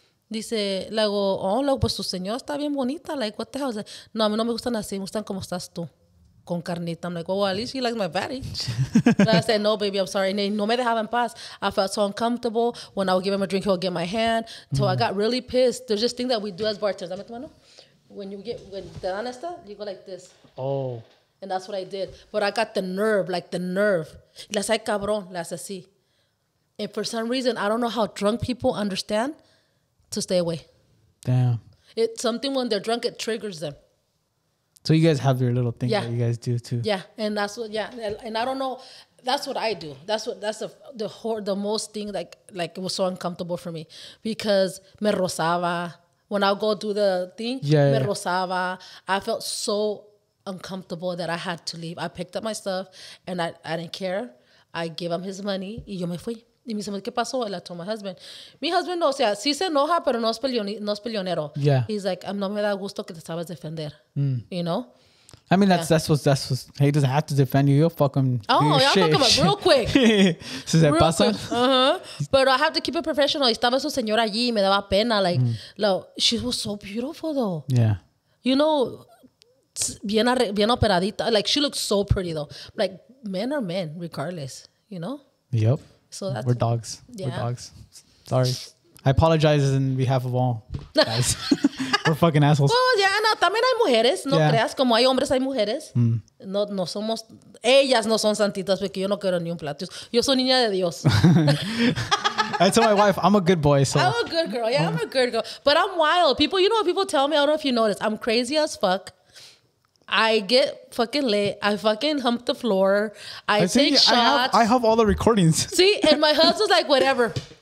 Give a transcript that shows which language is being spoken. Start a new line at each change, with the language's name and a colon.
Spanish: Dice, le digo, oh, le digo, pues su señora está bien bonita.
English: Like, what the hell?
Spanish: Like, no, a mí no me gustan así. Me gustan como estás tú, con carnita.
English: I'm like, well, at least she likes my body. I said, no, baby, I'm sorry. And
Spanish: no me dejaba en paz.
English: I felt so uncomfortable. When I would give him a drink, he would get my hand. So I got really pissed. There's this thing that we do as bartenders.
Spanish: Dame tu mano. When te dan esta,
English: you go like this. Oh. And that's what I did. But I got the nerve, like the nerve.
Spanish: Le hace cabrón, le hace así.
English: And for some reason, I don't know how drunk people understand to stay away. Damn. It's something when they're drunk, it triggers them. So you guys have your little thing that you guys do too. Yeah. And that's what, yeah. And I don't know. That's what I do. That's the most thing, like it was so uncomfortable for me because
Spanish: me rozaba.
English: When I'll go do the thing, rozaba. I felt so uncomfortable that I had to leave. I picked up my stuff and I didn't care. I gave him his money.
Spanish: Y yo me fui. Y me dice, ¿qué pasó? Y le
English: told my husband.
Spanish: Mi husband, no, o sea, sí se enoja, pero no es peleonero.
English: Yeah. He's like,
Spanish: no me da gusto que te sabes defender.
English: You know? I mean, that's what, he doesn't have to defend you. You'll fuck him. Oh, I'll fuck him up real quick.
Spanish: ¿Se real pasa?
English: Quick. But I have to keep it professional.
Spanish: Estaba su señora allí y me daba pena.
English: Like, she was so beautiful, though. Yeah. You know,
Spanish: bien operadita.
English: Like, she looks so pretty, though. Like, men are men, regardless, you know? Yep. So that's we're dogs. Yeah. We're dogs. Sorry. I apologize on behalf of all guys. We're fucking assholes. Well, yeah,
Spanish: no, también hay mujeres. No creas, como hay hombres, hay mujeres. Mm. No, no somos, ellas no son santitas, porque yo no quiero ni un plato. Yo soy niña de Dios.
English: I tell my wife, I'm a good boy. So. I'm a good girl. Yeah, I'm a good girl. But I'm wild. People, you know what people tell me? I don't know if you notice. I'm crazy as fuck. I get fucking lit. I fucking hump the floor. I take shots. I have all the recordings. See, and my husband's like, whatever.